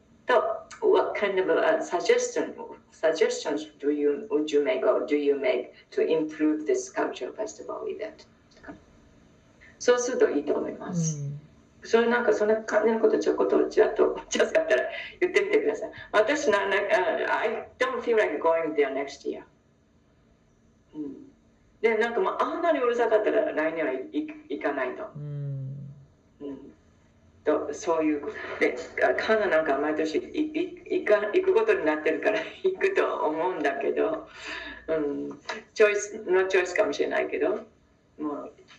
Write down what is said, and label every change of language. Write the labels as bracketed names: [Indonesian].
[English] So what kind of suggestions would you make to improve this cultural festival event? [Japanese] そうするといいと思います。うん、それなんかそんな感じのことちょっとちらっとちらっとったら言ってみてください。私なんか、 [English] I don't feel like going there next year、 [Japanese] うん。で、なんかもうあんなにうるさかったら来年は行かないと。うんうん、とそういうこと。で、カナなんか毎年行くことになってるから行くと思うんだけど、うん、チョイス、ノーチョイスかもしれないけど、もう。